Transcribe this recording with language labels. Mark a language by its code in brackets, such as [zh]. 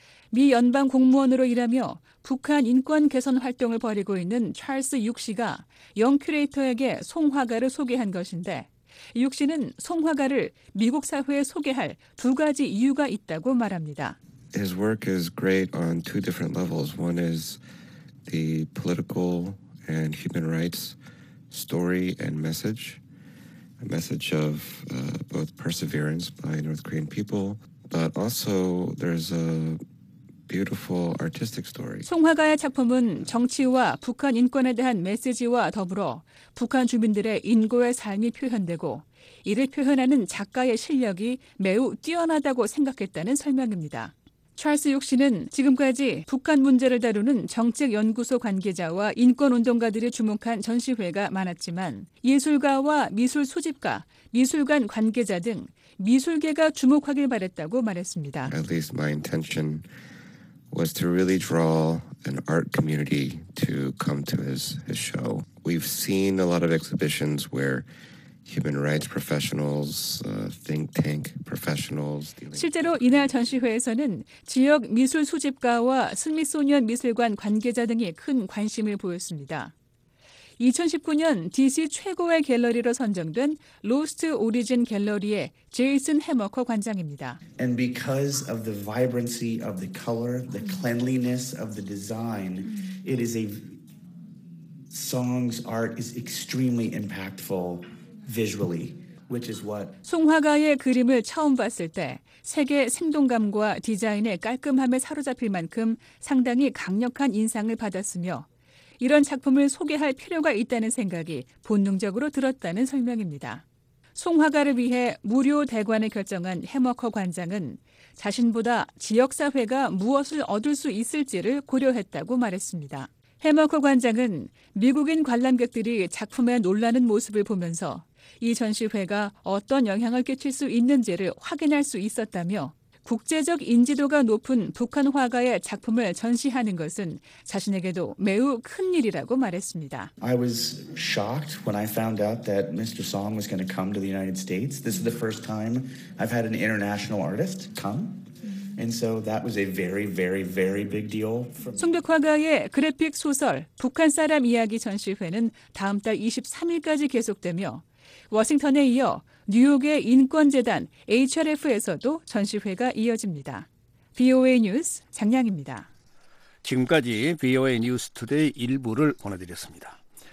[ko] 미 연방 공무원으로 일하며 북한 인권 개선 활동을 벌이고 있는 찰스 육 씨가 영 큐레이터에게 송 화가를 소개한 것인데 육 씨는 송 화가를 미국 사회에 소개할 두 가지 이유가 있다고 말합니다. [en] His work is great on two different levels. One is the political and human rights story and message, a message of both perseverance by North Korean people, but also there's a beautiful artistic story. [ko] 송 화가의 작품은 정치와 북한 인권에 대한 메시지와 더불어 북한 주민들의 인고의 삶이 표현되고 이를 표현하는 작가의 실력이 매우 뛰어나다고 생각했다는 설명입니다. 찰스 육 씨는 지금까지 북한 문제를 다루는 정책연구소 관계자와 인권운동가들이 주목한 전시회가 많았지만 예술가와 미술 수집가, 미술관 관계자 등 미술계가 주목하길 바랬다고 말했습니다. [en] At least my intention was to really draw an art community to come to his show. We've seen a lot of exhibitions where human rights professionals, think tank professionals. [ko] 실제로 이날 전시회에서는 지역 미술 수집가와 스미소니언 미술관 관계자 등이 큰 관심을 보였습니다. 2019년 DC 최고의 갤러리로 선정된 로스트 오리진 갤러리의 제이슨 해머커 관장입니다. [en] And because of the vibrancy of the color, the cleanliness of the design, it is a song's art is extremely impactful. Visually, which is what [ko] 송 화가의 그림을 처음 봤을 때 색의 생동감과 디자인의 깔끔함에 사로잡힐 만큼 상당히 강력한 인상을 받았으며 이런 작품을 소개할 필요가 있다는 생각이 본능적으로 들었다는 설명입니다. 송 화가를 위해 무료 대관을 결정한 해머커 관장은 자신보다 지역사회가 무엇을 얻을 수 있을지를 고려했다고 말했습니다. 해머커 관장은 미국인 관람객들이 작품에 놀라는 모습을 보면서 이 전시회가 어떤 영향을 끼칠 수 있는지를 확인할 수 있었다며 국제적 인지도가 높은 북한 화가의 작품을 전시하는 것은 자신에게도 매우 큰 일이라고 말했습니다. [en] I was shocked when I found out that Mr. Song was going to come to the United States. This is the first time I've had an international artist come. And so that was a very, very, very big deal. [ko] 송벽 화가의 그래픽 소설 북한 사람 이야기 전시회는 다음 달 23일까지 계속되며 워싱턴에 이어 뉴욕의 인권재단 HRF에서도 전시회가 이어집니다. VOA 뉴스 장량입니다. 지금까지 VOA 뉴스 투데이 일부를 보내드렸습니다.